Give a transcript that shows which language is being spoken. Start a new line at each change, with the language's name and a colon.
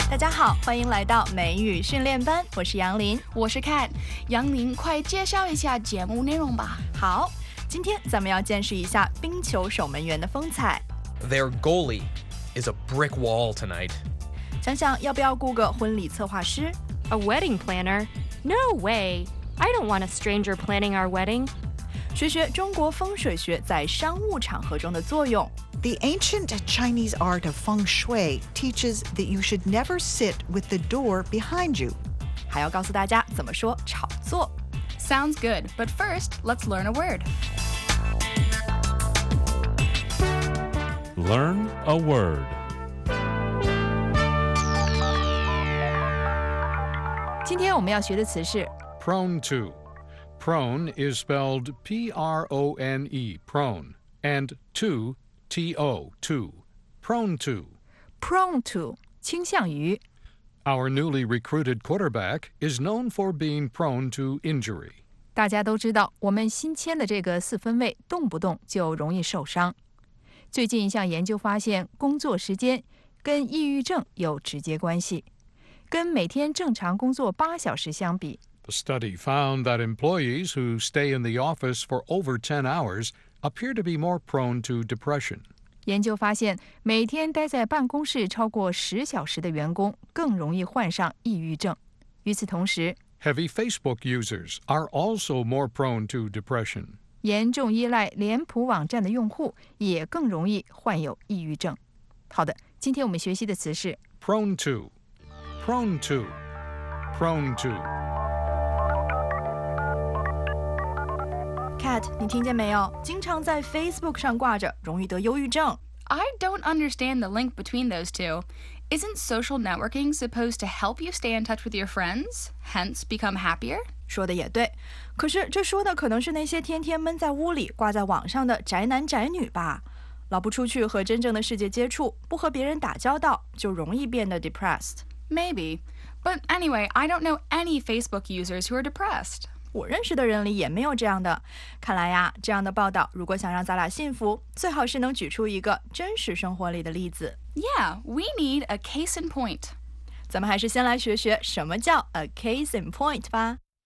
Chinese: 好，欢迎来到美语训练班，我是杨林。我是 Kat。杨林，快介绍一下节目内容吧。好，今天咱们要见识一下冰球守门员的风采。
English: Their goalie is a brick wall tonight.
Chinese: 想想要不要雇个婚礼策划师。
English: A wedding planner? No way! I don't want a stranger planning our wedding.
Chinese: 学学中国风水学在商务场合中的作用。
English: The ancient Chinese art of feng shui teaches that you should never sit with the door behind you.
Chinese: 还要告诉大家怎么说炒作。
English: Sounds good, but first, let's learn a word. Learn a word.
Chinese: 今天我们要学的词是
English: prone to. Prone is spelled P-R-O-N-E, prone, and to, T-O, to, prone to. Prone to,
Chinese: 倾向于。
English: Our newly recruited quarterback is known for being prone to injury.
Chinese: 大家都知道，我们新签的这个四分卫动不动就容易受伤。最近一项研究发现，工作时间跟抑郁症有直接关系。跟每天正常工作八小时相比
English: ，The study found that employees who stay in the office for over 10 hours appear to be more prone to depression.
Chinese: 研究发现，每天待在办公室超过十小时的员工更容易患上抑郁症。与此同时，
English: Heavy Facebook users are also more prone to depression.
Chinese: 严重依赖脸谱网站的用户也更容易患有抑郁症。好的，今天我们学习的词是
English: prone to, prone to, prone to.
Chinese: Kat, 你听见没有？经常在 Facebook 上挂着，容易得忧郁症。
English: I don't understand the link between those two. Isn't social networking supposed to help you stay in touch with your friends, hence become happier?
Chinese: 说的也对，可是这说的可能是那些天天闷在屋里、挂在网上的宅男宅女吧，老不出去和真正的世界接触，不和别人打交道，就容易变得 depressed.
English: Maybe, but anyway, I don't know any Facebook users who are depressed.
Chinese: 我认识的人里也没有这样的。看来呀，这样的报道如果想让咱俩幸福，最好是能举出一个真实生活里的例子。
English: Yeah, we need a case in point.
Chinese: 咱们还是先来学学什么叫
English: a case in point
Chinese: 吧。